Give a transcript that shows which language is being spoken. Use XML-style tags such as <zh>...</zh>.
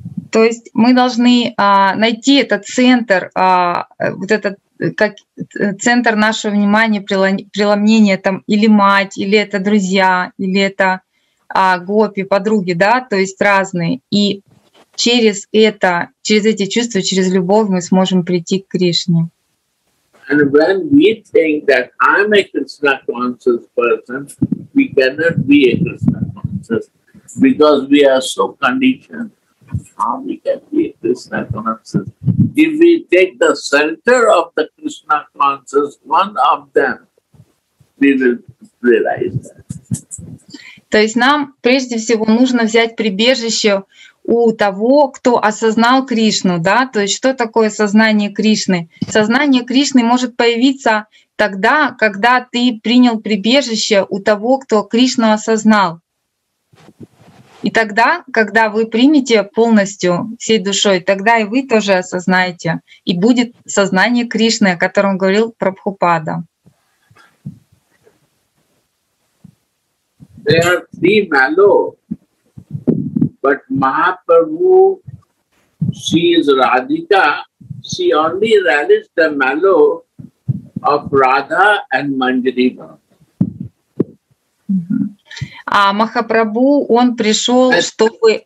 <ru>То есть мы должны найти этот центр, вот этот как центр нашего внимания, преломнения, там, или мать, или это друзья, или это гопи, подруги, да, то есть разные. И через это, через эти чувства, через любовь мы сможем прийти к Кришне.</ru> <en>And when we think that I'm a Krishna conscious person, we cannot be a Krishna conscious because we are so conditioned. How we can be a Krishna conscious? If we take the center of the Krishna conscious, one of them, we will realize that.</en> <ru>То есть нам прежде всего нужно взять прибежище у того, кто осознал Кришну, да, то есть что такое сознание Кришны? Сознание Кришны может появиться тогда, когда ты принял прибежище у того, кто Кришну осознал. И тогда, когда вы примете полностью всей душой, тогда и вы тоже осознаете, и будет сознание Кришны, о котором говорил Прабхупада.</ru> <en>There are three mellow, but Mahaprabhu, she is Radhika, she only relished the mellow of Radha and Manjariva.</en> <ru>А Махапрабху, он пришел, чтобы…</ru>